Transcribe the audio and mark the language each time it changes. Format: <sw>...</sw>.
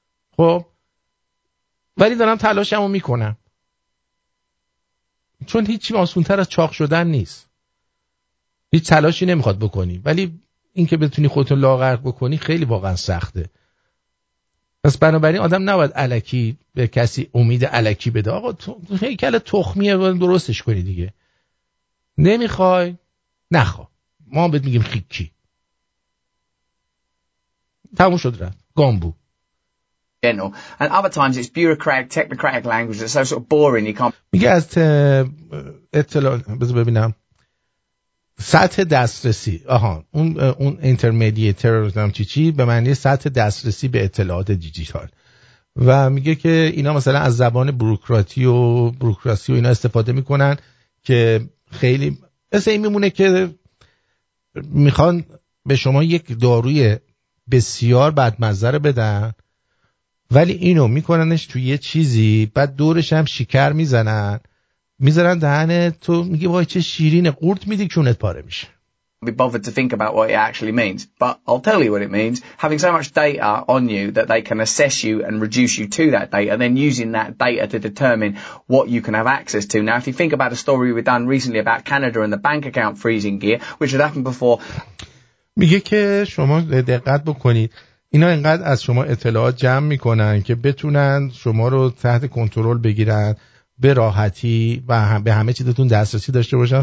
<fa>خب ولی دارم تلاشمو میکنم، چون هیچی آسونتر از چاق شدن نیست، هیچ تلاشی نمیخواد بکنی، ولی این که بتونی خودتو لاغر بکنی خیلی واقعا سخته. پس بنابراین آدم نباید الکی به کسی امید الکی بده. آقا تو هیکل تخمیه، درستش کنی دیگه. نمیخوای نخوا، ما هم بهت میگیم خیکی. تموم شد رفت گامبو.</fa> <en>And other times it's bureaucratic, technocratic language that's so sort of boring you can't.</en> <fa>میگه از اطلاع بذار ببینم سطح دسترسی، آها اون intermediator رو دارم چی به معنی سطح دسترسی به اطلاعات دیجیتال. و میگه که اینا مثلا از زبان بروکراسی و اینا استفاده میکنن که خیلی مثل این میمونه که میخوان به شما یک داروی بسیار بدمزه رو بدن، ولی اینو میکننش توی یه چیزی، بعد دورش هم شکر میزنن، میذارن دهن تو، میگه وای چه شیرینه، قورت میدی چونت پاره میشه.</fa> <en>Be bothered to think about what it actually means, but I'll tell you what it means. Having so much data on you that they can assess you and reduce you to that data, then using that data to determine what you can have access to. Now, if you think about a story we've done recently about Canada and the bank account freezing gear, which had happened before.</en> <fa>میگه که شما دقت بکنید، اینا اینقدر از شما اطلاعات جمع میکنن که بتونن شما رو تحت کنترل بگیرن به راحتی و به همه چیزتون دسترسی داشته باشن.</fa>